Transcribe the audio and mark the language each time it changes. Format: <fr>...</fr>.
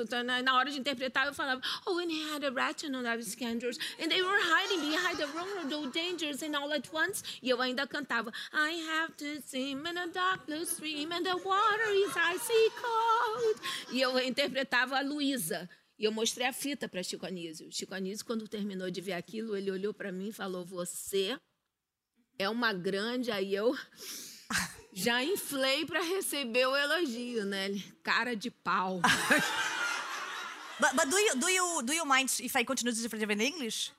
<pt>Então, na hora de interpretar, eu falava,</pt> <en>oh, and he had a retinue of scandals, and they were hiding behind the road of dangers, and all at once,</en> <pt>e eu ainda cantava,</pt> <en>I have to swim in a dark blue stream, and the water is icy cold.</en> <pt>E eu interpretava a Luísa. E eu mostrei a fita para Chico Anísio. Chico Anísio, quando terminou de ver aquilo, ele olhou para mim e falou, você é uma grande, aí eu já inflei para receber o elogio, né? Cara de pau.</pt> <en>But do you mind if I continue to speak in English?</en>